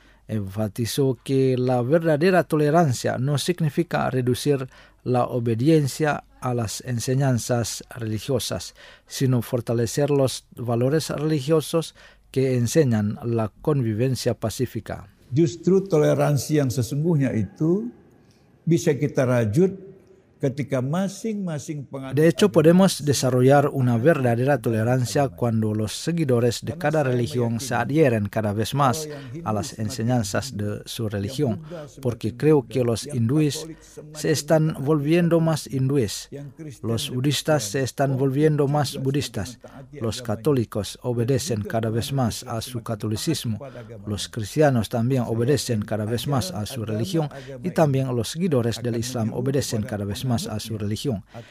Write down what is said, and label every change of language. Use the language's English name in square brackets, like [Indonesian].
[Spanish] Enfatizó que la verdadera tolerancia no significa reducir la obediencia a las enseñanzas religiosas, sino fortalecer los valores religiosos que enseñan la convivencia pacífica. [Indonesian] Justru toleransi yang sesungguhnya itu bisa kita rajut ketika masing-masing pengadilan. [Spanish] De hecho, podemos desarrollar una verdadera tolerancia cuando los seguidores de cada religión se adhieren cada vez más a las enseñanzas de su religión, porque creo que los hindúes se están volviendo más hindúes, los budistas se están volviendo más budistas, los católicos obedecen cada vez más a su catolicismo, los cristianos también obedecen cada vez más a su religión y también los seguidores del Islam obedecen cada vez más a su religión.